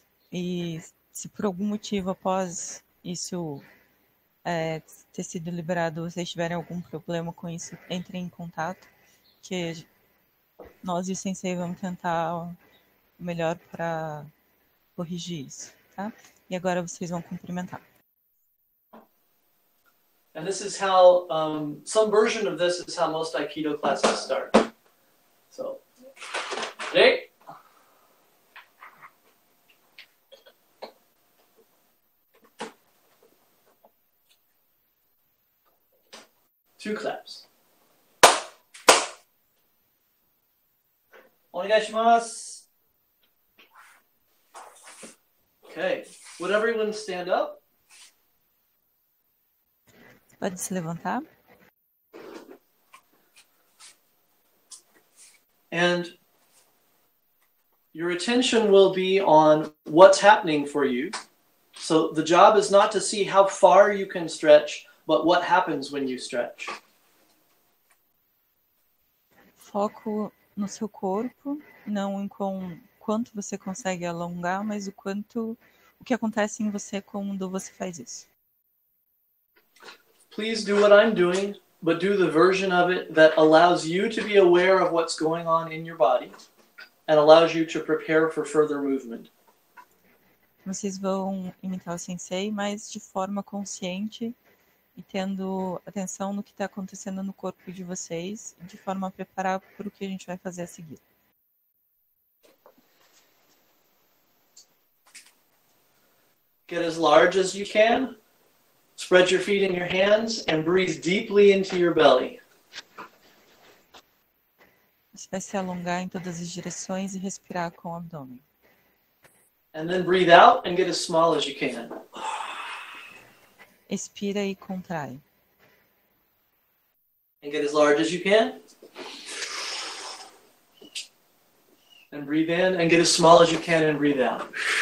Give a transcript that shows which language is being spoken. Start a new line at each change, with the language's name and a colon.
Portuguese: E se por algum motivo após isso ter sido liberado, vocês tiverem algum problema com isso, entrem em contato, que nós e o sensei vamos tentar o melhor para corrigir isso, tá? E agora vocês vão cumprimentar.
English: And this is how some version of this is how most Aikido classes start. So, hey. Two claps. Okay, would everyone stand up?
Portuguese: Pode se levantar.
English: And your attention will be on what's happening for you. So the job is not to see how far you can stretch, but what happens when you stretch.
Portuguese: Foco no seu corpo, não em quanto você consegue alongar, mas o que acontece em você quando você faz isso.
English: Please do what I'm doing, but do the version of it that allows you to be aware of what's going on in your body and allows you to prepare for further movement.
Portuguese: Vocês vão imitar o sensei, mas de forma consciente, e tendo atenção no que está acontecendo no corpo de vocês, de forma a preparar para o que a gente vai fazer a seguir.
English: Get as large as you can. Spread your feet and your hands and breathe deeply into your belly.
Portuguese: Você vai se alongar em todas as direções e respirar com o abdômen.
English: And then breathe out and get as small as you can.
Portuguese: Expira e contrai.
English: And get as large as you can. And breathe in and get as small as you can and breathe out.